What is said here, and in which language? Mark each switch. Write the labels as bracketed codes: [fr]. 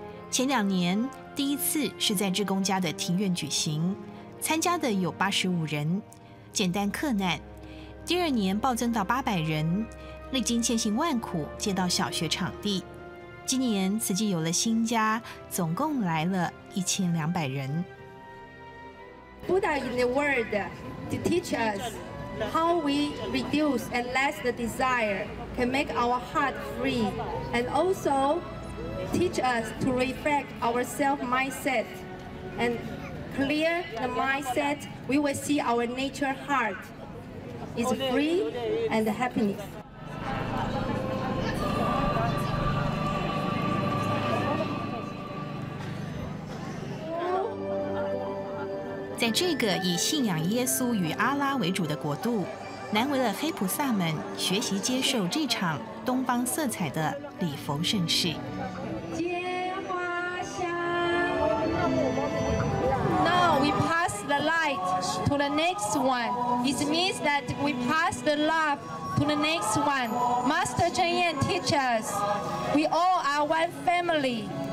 [zh] 前2年第一次是在志工家的庭院举行，参加的有85人，简单客难。第2年暴增到800人，历经千辛万苦借到小学场地。今年慈济有了新家，总共来了1200人。 [en] Buddha in the world to teach us how we reduce and less the desire can make our heart free, and also teach us to reflect our self mindset and clear the mindset. We will see our nature heart is free and happiness. [zh] 在这个以信仰耶稣与阿拉为主的国度，难为了黑菩萨们学习接受这场东方色彩的礼佛盛世。 [en] Now we pass the light to the next one. It means that we pass the love to the next one. Master Chen Yan teaches, we all are one family.